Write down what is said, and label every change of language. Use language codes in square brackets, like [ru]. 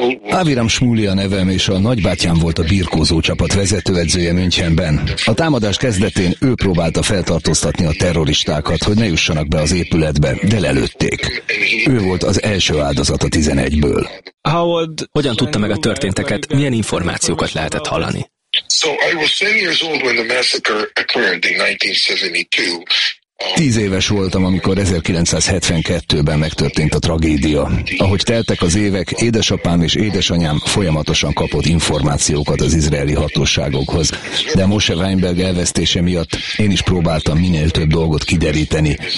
[hu] Aviram Shmuli a nevem, és a nagybátyám volt a birkózó csapat vezetőedzője Münchenben. A támadás kezdetén ő próbálta feltartóztatni a terroristákat, hogy ne jussanak be az épületbe, de lelőtték. Ő volt az első áldozat a 11-ből. Howard, hogyan tudta meg a történteket, milyen információkat lehetett hallani? [en] So I was 10 years old when the massacre occurred in 1972. [hu] 10 éves voltam, amikor 1972-ben megtörtént a tragédia. Ahogy teltek az évek, édesapám és édesanyám folyamatosan kapott információkat az izraeli hatóságokhoz. De Moshe Weinberg elvesztése miatt én is próbáltam minél több dolgot kideríteni.